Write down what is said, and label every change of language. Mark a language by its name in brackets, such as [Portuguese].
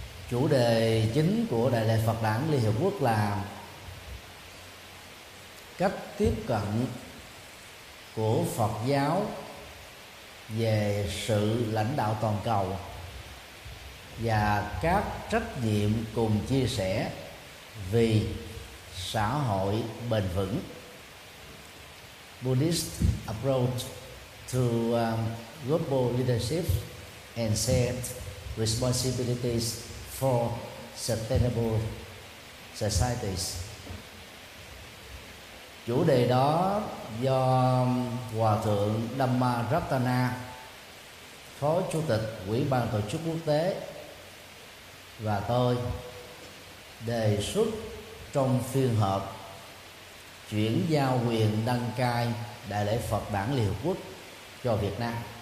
[Vietnamese] Chủ đề chính của Đại lễ Phật Đản Liên Hiệp Quốc là cách tiếp cận của Phật giáo về sự lãnh đạo toàn cầu và các trách nhiệm cùng chia sẻ vì xã hội bền vững. [English] Buddhist approach to global leadership and shared responsibilities for sustainable societies. [Vietnamese] Chủ đề đó do Hòa Thượng Dhamma Ratana, Phó Chủ tịch Ủy ban Tổ chức Quốc tế, và tôi đề xuất trong phiên họp chuyển giao quyền đăng cai Đại lễ Phật Đản Liên Hiệp Quốc cho Việt Nam.